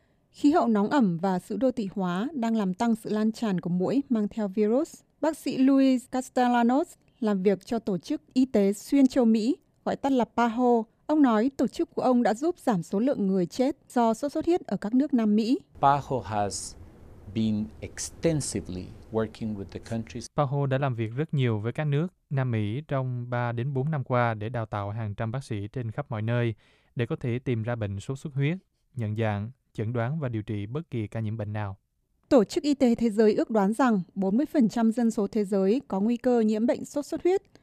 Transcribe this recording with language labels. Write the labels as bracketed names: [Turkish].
[Vietnamese] Khí hậu nóng ẩm và sự đô thị hóa đang làm tăng sự lan tràn của muỗi mang theo virus. Bác sĩ Luis Castellanos làm việc cho Tổ chức Y tế Xuyên Châu Mỹ, gọi tắt là PAHO. Ông nói tổ chức của ông đã giúp giảm số lượng người chết do sốt xuất huyết ở các nước Nam Mỹ. [English] PAHO has been extensively working with the countries. [Vietnamese] PAHO đã làm việc rất nhiều với các nước Nam Mỹ trong 3 đến 4 năm qua để đào tạo hàng trăm bác sĩ trên khắp mọi nơi để có thể tìm ra bệnh sốt xuất huyết, nhận dạng, chẩn đoán và điều trị bất kỳ ca nhiễm bệnh nào. Tổ chức Y tế Thế giới ước đoán rằng 40% dân số thế giới có nguy cơ nhiễm bệnh sốt xuất huyết.